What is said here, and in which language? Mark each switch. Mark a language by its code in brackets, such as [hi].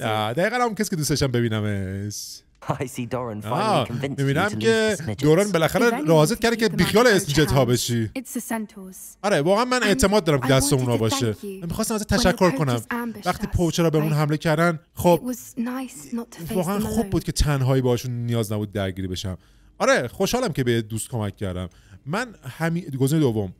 [fa] آه دقیقاً همون کسی که دوستش دارم ببینمش. [en] I see Doran finally convinced you to leave the Snidget. [fa] دوران بالاخره راضی کرد که بیخیال اسنیجت ها بشی. آره واقعا من اعتماد دارم که دست اونا باشه. من میخواستم ازت تشکر کنم. وقتی پوچرا بهمون حمله کردن خب واقعا خوب بود که تنهایی باشون نیاز نبود درگیری بشم. آره خوشحالم که به دوست کمک کردم. من گزینه دوم.